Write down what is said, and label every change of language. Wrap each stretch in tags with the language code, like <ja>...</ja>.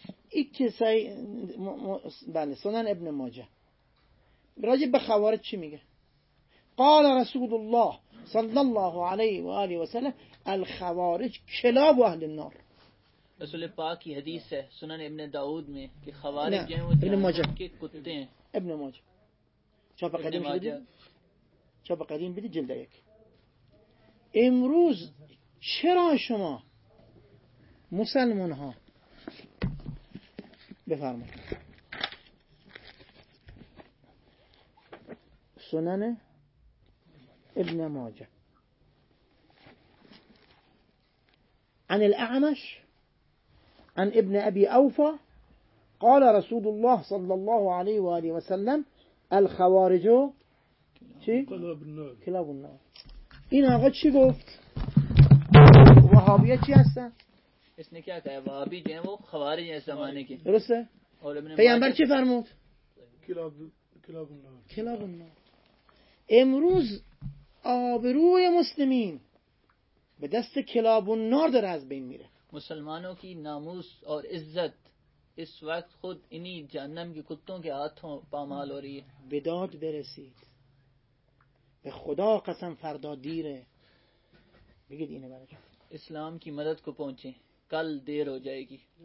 <fa>ایک کسائی بله سنن ابن ماجه راجب به خوارج چی میگه؟</fa> <ar>قال رسول الله صلی الله علیه و آله و سلم الخوارج کلاب و اهل النار.</ar> <ur>رسول پاک کی حدیث ہے سنن ابن داود میں کہ خوارج جو ہیں وہ جہنم کے کتے ہیں.</ur> <fa>ابن ماجه چاپ قدیم بدید، چاپ قدیم بدید جلد یک. امروز چرا شما مسلمان ها بفرمایید سنن ابن ماجه</fa> <ar>عن الاعمش عن ابن ابي اوفى قال رسول الله صلى الله عليه واله وسلم الخوارج كلاب النار. كلاب النار.</ar> <fa>اين آقا چی گفت؟ وهابیه چی هستن؟</fa> <ur>اس نے کیا کہا؟ وهابی جو ہیں وہ خوارج ہیں زمانے کے.</ur> <fa>درسته؟ پیامبر چی فرمود؟</fa> <ar>کلاب النار.</ar> <fa>امروز آبروی مسلمین به دست کلاب النار داره از بین میره.</fa> <ur>مسلمانوں کی ناموس اور عزت اس وقت خود انہی جہنم کی کتوں کے ہاتھوں پامال ہو رہی ہے.</ur> <fa>بداد برسید، به خدا قسم فردا دیره. بگید اینه برای جان</fa> <ur>اسلام کی مدد کو پہنچیں، کل دیر ہو جائے گی.</ur>